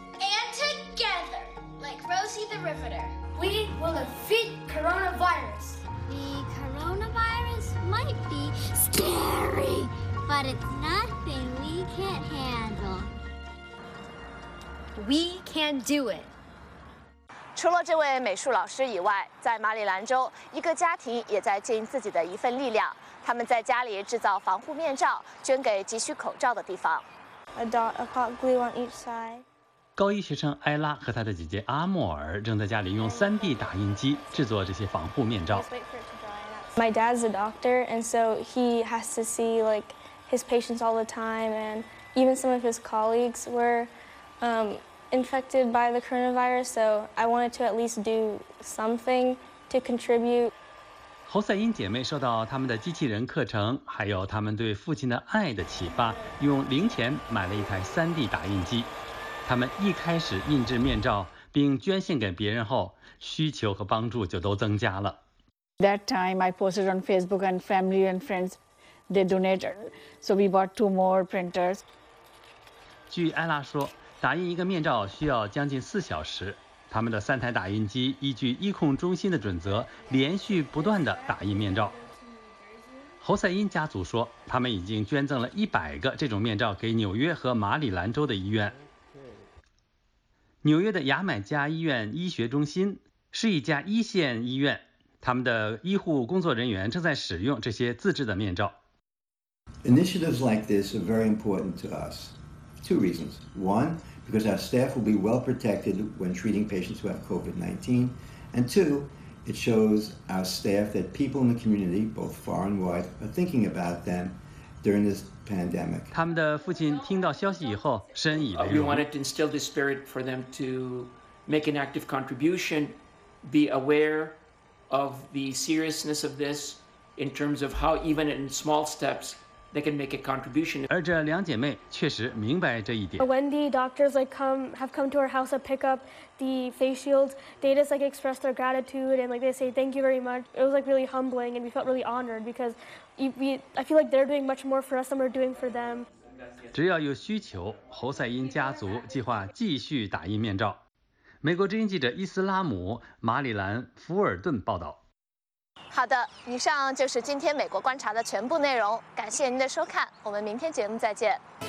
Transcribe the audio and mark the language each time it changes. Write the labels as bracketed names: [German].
[English] And together, like Rosie the Riveter, we will defeat coronavirus. The coronavirus might be scary, but it's nothing we can't handle. We can do it. [Chinese] 除了这位美术老师以外，在马里兰州，一个家庭也在尽自己的一份力量。他们在家里制造防护面罩，捐给急需口罩的地方。 [English] A dot of hot glue on each side. [Chinese] 高一学生艾拉和她的姐姐阿莫尔正在家里用 3D 打印机制作这些防护面罩。 [English] My dad's a doctor, and so he has to see like his patients all the time, and even some of his colleagues were infected by the coronavirus. So I wanted to at least do something to contribute. [Chinese] 侯赛因姐妹受到他们的机器人课程，还有他们对父亲的爱的启发，用零钱买了一台 3D 打印机。他们一开始印制面罩，并捐献给别人后，需求和帮助就都增加了。 [English] That time I posted on Facebook and family and friends, they donated, so we bought two more printers. [Chinese] 据艾拉说，打印一个面罩需要将近4小时。他们的三台打印机依据疫控中心的准则，连续不断地打印面罩。侯赛因家族说，他们已经捐赠了100个这种面罩给纽约和马里兰州的医院。纽约的牙买加医院医学中心是一家一线医院，他们的医护工作人员正在使用这些自制的面罩。 [English] Initiatives like this are very important to us. Two reasons. One,because our staff will be well protected when treating patients who have COVID-19. And two, it shows our staff that people in the community, both far and wide, are thinking about them during this pandemic. [Chinese] 他们的父亲听到消息以后深以为荣。 [English] We wanted to instill this spirit for them to make an active contribution, be aware of the seriousness of this in terms of how even in small steps,They can make a contribution. [Chinese] 而这两姐妹确实明白这一点。 [English] When the doctors like have come to our house to pick up the face shields, they just like express their gratitude and like they say thank you very much. It was like really humbling and we felt really honored because I feel like they're doing much more for us than we're doing for them. [Chinese] 只要有需求，侯赛因家族计划继续打印面罩。美国之音记者伊斯拉姆，马里兰福尔顿报道。好的，以上就是今天美国观察的全部内容，感谢您的收看，我们明天节目再见。